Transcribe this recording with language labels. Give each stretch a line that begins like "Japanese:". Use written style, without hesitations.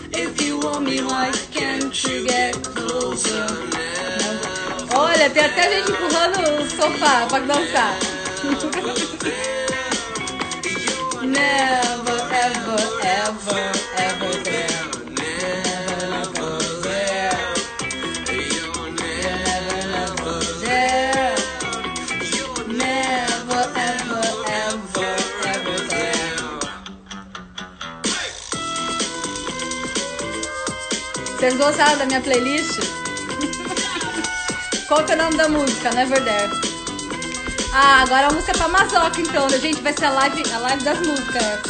English: If you want me, why can't you get closer?
Portuguese: Olha, tem até gente empurrando o sofá pra dançar.
English: Never, ever, ever, ever there. Never, never, never there. You're never, never there. Never, ever, ever, ever there.
Portuguese: Vocês gostaram da minha playlist? Qual que é o nome da música? Never There. Ah, agora a música é pra Mazoca, então. A gente, vai ser a live das músicas.